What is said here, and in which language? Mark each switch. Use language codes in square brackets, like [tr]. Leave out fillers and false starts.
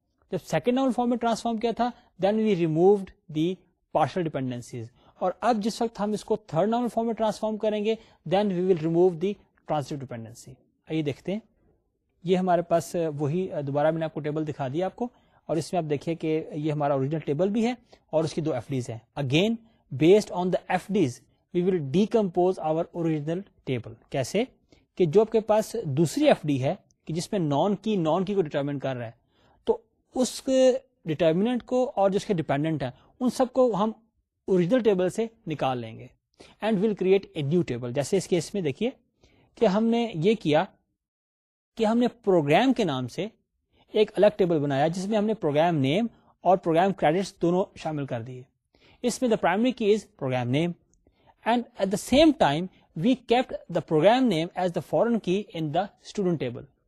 [ur] جب second normal form میں transform کیا تھا [en] then we removed the partial dependencies, [ur] اور اب جس وقت ہم اس کو تھرڈ نارمل فارم میں ٹرانسفارم کریں گے [en] Then we will remove the transitive dependency. [ur] آئیے دیکھتے ہیں. یہ ہمارے پاس وہی دوبارہ میں نے آپ کو ٹیبل دکھا دیا آپ کو, اور اس میں آپ دیکھیے کہ یہ ہمارا اوریجنل ٹیبل بھی ہے اور اس کی دو ایف ڈیز ہیں. [en] Again based on the FDs we will decompose our original table. [ur] کیسے؟ کہ جو آپ کے پاس دوسری ایف ڈی ہے کہ جس میں نان کی کو ڈیٹرمن کر رہا ہے, تو اس کے ڈیٹرمنٹ کو اور جس کے ڈیپینڈنٹ ہیں ان سب کو ہم اوریجنل ٹیبل سے نکال لیں گے [en] And will create a new table. [ur] جیسے اس کیس میں دیکھیے کہ ہم نے یہ کیا کہ ہم نے پروگرام کے نام سے ایک الگ ٹیبل بنایا جس میں ہم نے پروگرام نیم اور پروگرام کریڈٹس دونوں شامل کر دیے. اس میں [en] The primary key is program name, and at the same time we kept the program name as the foreign key in the student table.